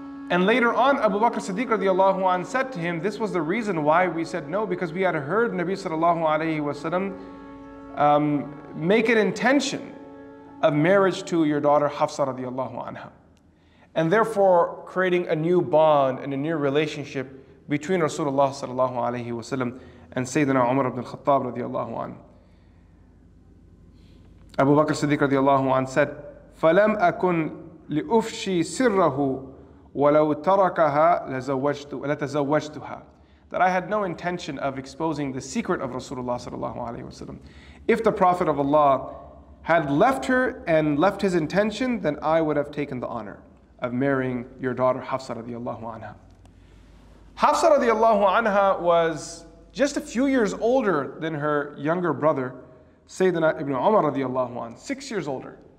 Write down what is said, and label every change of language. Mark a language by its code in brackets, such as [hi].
[en] And later on, Abu Bakr Siddiq radiallahu anh said to him, this was the reason why we said no, because we had heard Nabi sallallahu alayhi wa sallam make an intention of marriage to your daughter Hafsah radiallahu anha. And therefore, creating a new bond and a new relationship between Rasulullah sallallahu alayhi wa sallam and Sayyidina Umar ibn al-Khattab radiallahu anh. Abu Bakr Siddiq radiallahu anh said, [ar] فَلَمْ أَكُنْ لِأُفْشِي سِرَّهُ وَلَوْ تَرَكَهَا لَتَزَوَّجْتُهَا. [en] That I had no intention of exposing the secret of Rasulullah sallallahu alayhi wa sallam. If the Prophet of Allah had left her and left his intention, then I would have taken the honor of marrying your daughter Hafsah radiallahu anha. Hafsah radiallahu anha was just a few years older than her younger brother, Sayyidina Ibn Umar radiallahu anha, 6 years older.